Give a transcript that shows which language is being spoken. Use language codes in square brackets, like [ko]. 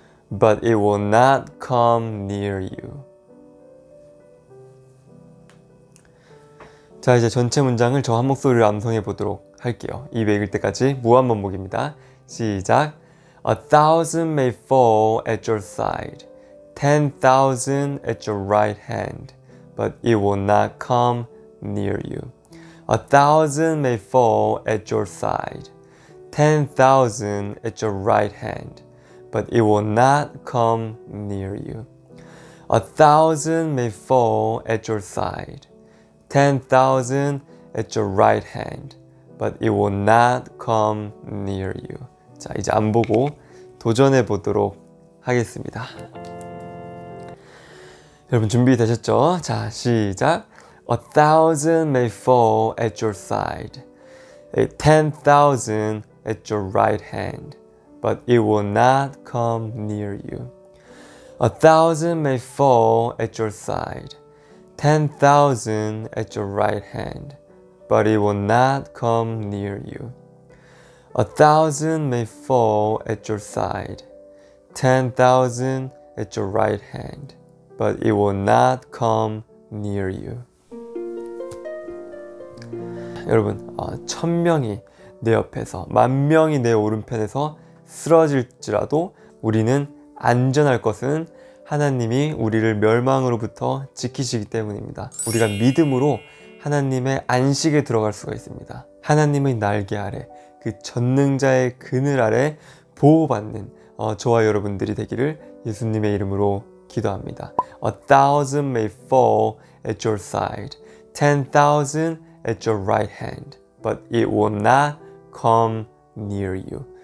[en] But it will not come near you. [ko] 자, 이제 전체 문장을 저 한 목소리로 암송해 보도록 할게요. 입에 익을 때까지 무한반복입니다. 시작! [en] 1,000 may fall at your side, 10,000 at your right hand, but it will not come near you. 1,000 may fall at your side, 10,000 at your right hand, but it will not come near you. 1,000 may fall at your side, 10,000 at your right hand, but it will not come near you. [ko] 자, 이제 안 보고 도전해 보도록 하겠습니다. 여러분 준비되셨죠? 자, 시작! [en] 1,000 may fall at your side, 10,000 at your right hand, but it will not come near you. 1,000 may fall at your side, 10,000 at your right hand, but it will not come near you. 1,000 may fall at your side, 10,000 at your right hand, but it will not come near you. [ko] 여러분, 1,000명이 내 옆에서, 10,000명이 내 오른편에서 쓰러질지라도 우리는 안전할 것은 하나님이 우리를 멸망으로부터 지키시기 때문입니다. 우리가 믿음으로 하나님의 안식에 들어갈 수가 있습니다. 하나님의 날개 아래, 그 전능자의 그늘 아래 보호받는 저와 여러분들이 되기를 예수님의 이름으로 기도합니다. [en] A thousand may fall at your side, 10,000 at your right hand, but it will not come near you.